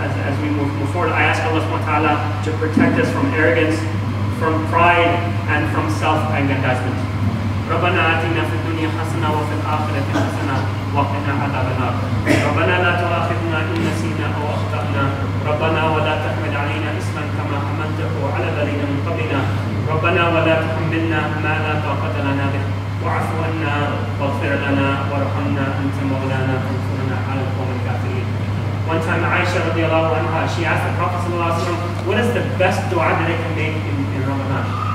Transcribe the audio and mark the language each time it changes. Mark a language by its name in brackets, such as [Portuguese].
[English] As we move forward, I ask Allah subhanahu wa ta'ala to protect us from arrogance, from pride, and from self-aggrandizement. [Arabic] ربنا آتنا في الدنيا حسنة وفي الآخرة حسنة وقنا عذاب النار. ربنا لا تؤاخذنا إن نسينا أو أخطأنا. ربنا ولا تحمل علينا إثما كما حملته على الذين من قبلنا. ربنا ولا تحملنا ما لا طاقة لنا به. واعف عنا واغفر لنا وارحمنا أنت مولانا فانصرنا على القوم الكافرين. [English] One time Aisha [Arabic] رضي الله عنها, [English] she asked the Prophet [Arabic] صلى الله عليه وسلم, [English] what is the best dua that I can make in Ramadan?